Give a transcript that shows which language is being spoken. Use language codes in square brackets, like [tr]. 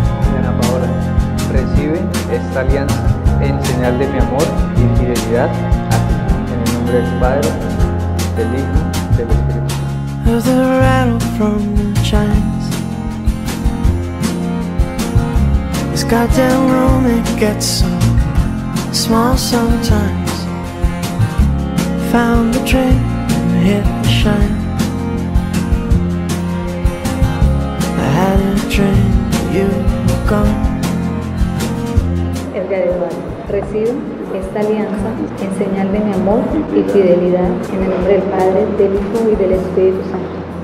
[es] Diana Paola, recibe esta alianza en señal de mi amor y fidelidad a ti, en el nombre del Padre, del Hijo, del Espíritu. [en] Of the rattle from the chimes, this goddamn room, it gets so small sometimes. Found the train and hit the shine. I had a dream that you were gone. [es] Edgar Eduardo, recibo esta alianza en señal de mi amor y fidelidad en el nombre del Padre, del Hijo y del Espíritu Santo.